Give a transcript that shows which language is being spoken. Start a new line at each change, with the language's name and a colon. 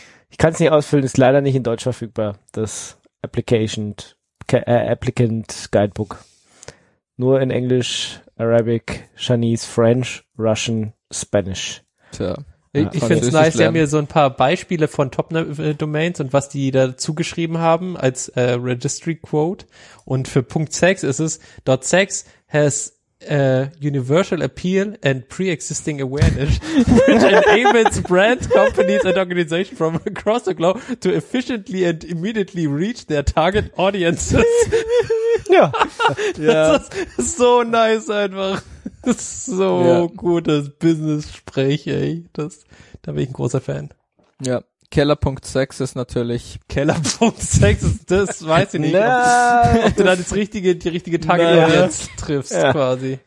German: Ich kann es nicht ausfüllen, ist leider nicht in Deutsch verfügbar, das Applicant Guidebook. Nur in Englisch, Arabic, Chinese, French, Russian, Spanish. Tja. Ich finde es nice, sie haben hier so ein paar Beispiele von Top-Domains und was die da zugeschrieben haben als Registry Quote. Und für Punkt .sex ist es
English: .sex has universal appeal and pre-existing awareness, which enables brands, companies and organizations from across the globe to efficiently and immediately reach their target audiences.
German: Ja. Das ist so nice einfach. Das ist so gutes Business-Sprech, ey. Da bin ich ein großer Fan. Ja. Keller.sex ist natürlich. Keller.sex ist das, weiß ich nicht. ob du da die richtige Target-Audience triffst, quasi.